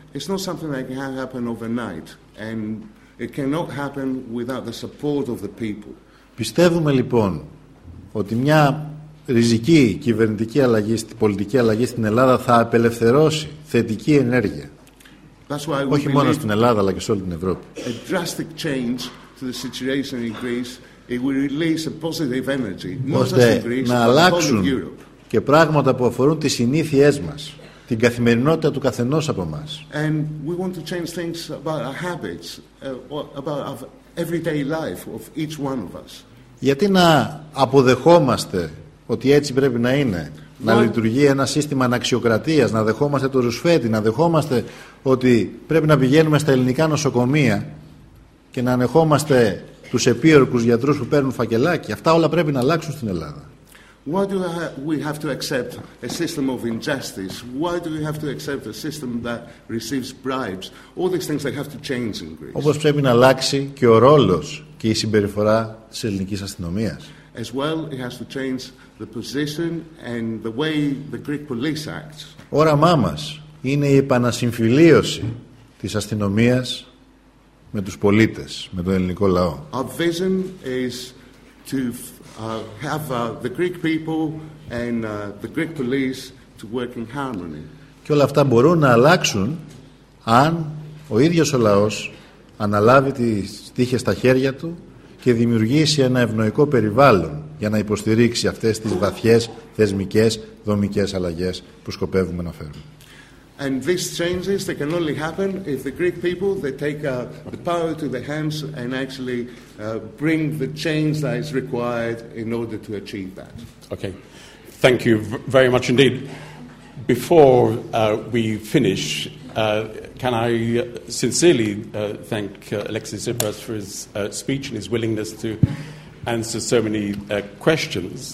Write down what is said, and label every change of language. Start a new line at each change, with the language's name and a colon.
English: It's not something that can happen overnight and it cannot happen without the support of the people.
Greek: Πιστεύουμε λοιπόν ότι μια ριζική κυβερνητική αλλαγή, πολιτική αλλαγή στην Ελλάδα θα απελευθερώσει θετική ενέργεια.
English: That's why
Greek: όχι μόνο στην Ελλάδα αλλά και σε όλη την Ευρώπη.
English: A drastic change to the situation in Greece, it will release a positive energy, not just in Greece,
Greek: να αλλάξουν και πράγματα που αφορούν τις συνήθειές μας, την καθημερινότητα του καθενός από εμάς.
English: And we want to change things about our habits, about our everyday life of each one of us.
Greek: Γιατί να αποδεχόμαστε ότι έτσι πρέπει να είναι, να λειτουργεί ένα σύστημα αναξιοκρατίας, να δεχόμαστε το ρουσφέτη, να δεχόμαστε ότι πρέπει να πηγαίνουμε στα ελληνικά νοσοκομεία και να ανεχόμαστε τους επίορκους γιατρούς που παίρνουν φακελάκι. Αυτά όλα πρέπει να αλλάξουν στην Ελλάδα.
English: Why do we have to accept a system of injustice? Why do we have to accept a system that receives bribes? All these things they have to change in Greece.
Greek: Όπως πρέπει να αλλάξει και ο ρόλος και η συμπεριφορά της ελληνικής αστυνομίας.
English: As well, it has to change the position and the way the Greek police acts.
Greek: Όραμά μας είναι η επανασυμφιλίωση της αστυνομίας με τους πολίτες, με τον ελληνικό λαό.
English: Our vision is to have the Greek people and the Greek police to work in harmony.
Greek: Και όλα αυτά μπορούν να αλλάξουν αν ο ίδιος ο λαός αναλάβει τις τύχες στα χέρια του και δημιουργήσει ένα ευνοϊκό περιβάλλον για να υποστηρίξει αυτές τις βαθιές θεσμικές δομικές αλλαγές που σκοπεύουμε να φέρουμε.
English: And these changes they can only happen if the Greek people they take the power to their hands and actually bring the change that is required in order to achieve that. Okay, thank you very much indeed. Before we finish, can I sincerely thank Alexis Tsipras for his speech and his willingness to answer so many questions?